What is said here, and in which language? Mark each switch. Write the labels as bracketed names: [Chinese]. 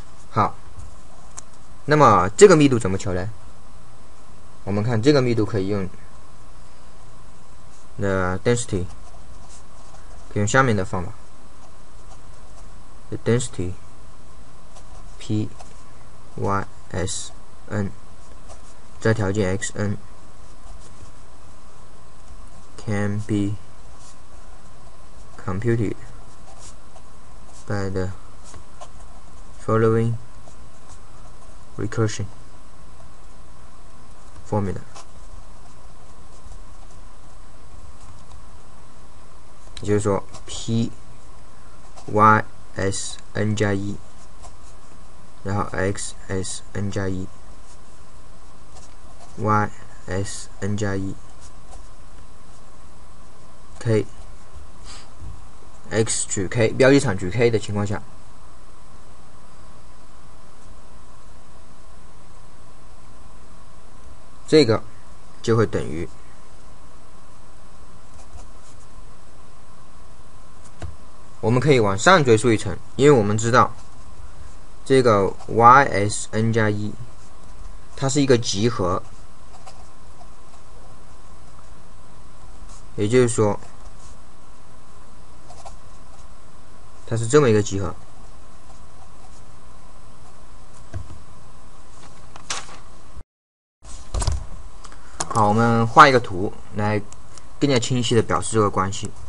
[Chinese] 好，那么这个密度怎么求呢？我们看这个密度可以用 the density，可以用下面的方法 the density p y s n 再条件 x n [English] can be computed by the following recursion formula. [Chinese] It is P Y S N 加一，然后 X S N 加一 ，Y S N 加一 ，K X 取 K 标记场取 K 的情况下，这个就会等于。我们可以往上追溯一层，因为我们知道这个 YSN 加一它是一个集合，也就是说它是这么一个集合，好，我们画一个图来更加清晰的表示这个关系。